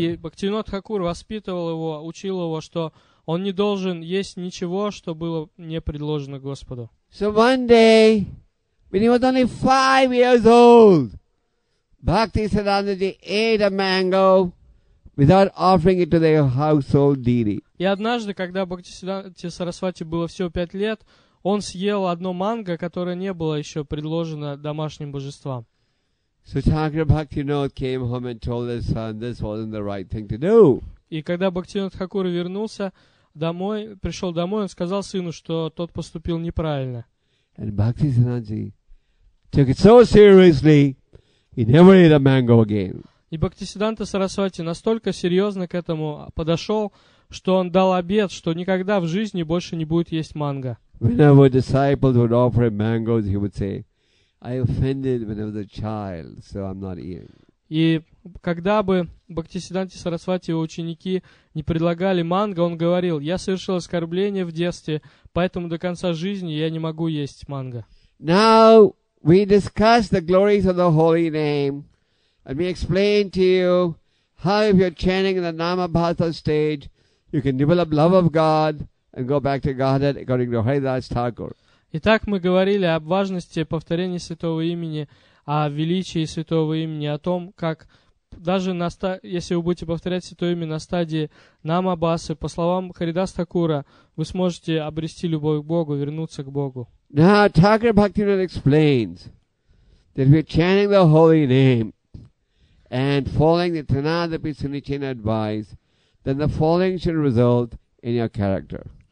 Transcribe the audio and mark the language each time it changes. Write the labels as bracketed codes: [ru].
[ru] И Бхакти Винода Тхакур воспитывал его, учил его, что он не должен есть ничего, что было не предложено Господу. [en] So one day, when he was only 5 years old, Bhakti Siddhanta Ji ate a mango without offering it to their household deity. [ru] И однажды, когда Бхакти Сиддханте Сарасвати было всего 5 лет, он съел одно манго, которое не было еще предложено домашним божествам. [en] So Thakur Bhaktivinoda came home and told his son this wasn't the right thing to do. [ru] И когда Бхактивинода Тхакура вернулся, домой, пришел домой, он сказал сыну, что тот поступил неправильно. [en] And Bhaktisiddhanta took it so seriously, he never ate a mango again. [ru] И Бхактисиддханта Сарасвати настолько серьезно к этому подошел, что он дал обет, что никогда в жизни больше не будет есть манго. [en] Whenever disciples would offer him mangoes, he would say, I offended when I was a child, so I'm not eating. [ru] И когда бы Бхактисиддханте Сарасвати его ученики не предлагали манго, он говорил, я совершил оскорбление в детстве, поэтому до конца жизни я не могу есть манго. [en] Now we discuss the glories of the holy name, and we explain to you how if you're chanting in the Namabhata stage, you can develop love of God and go back to Godhead according to Haridas Thakur. [ru] Итак, мы говорили об важности повторения святого имени, о величии святого имени, о том, как даже на если вы будете повторять святое имя на стадии Намабасы, по словам Харидас Такура, вы сможете обрести любовь к Богу, вернуться к Богу. [en] Now, Thakur Bhaktivinoda explains that we're chanting the holy name and following the Tanadapi Sunichena advice, then the following should result in your character.